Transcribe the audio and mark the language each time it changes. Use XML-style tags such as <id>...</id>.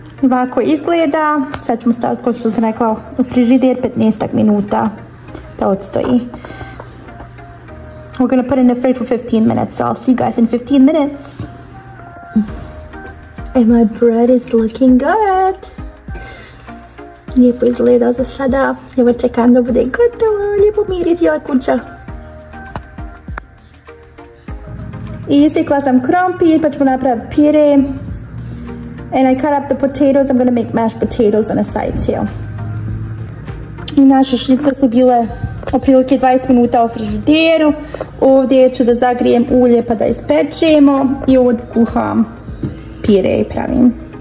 <bs>Ovako izgleda, sad ćemo staviti, kao što sam rekla, u frižider 15 minuta da odstoji.</bs> <en>We're gonna put it in the fridge for 15 minutes, so I'll see you guys in 15 minutes. And my bread is looking good.</en> <bs>Lijepo izgleda za sada, evo čekam da bude gotovo, lijepo miri cijela kuća. I isekla sam krompir pa ćemo napraviti pire.</bs> <en>And I cut up the potatoes, I'm gonna make mashed potatoes on a side too.</en> <bs>I naše šnicle su bile otprilike 20 minuta u frižideru. Ovdje ću da zagrijem ulje pa da ispečemo I ovdje kuham pire I pravim.</bs>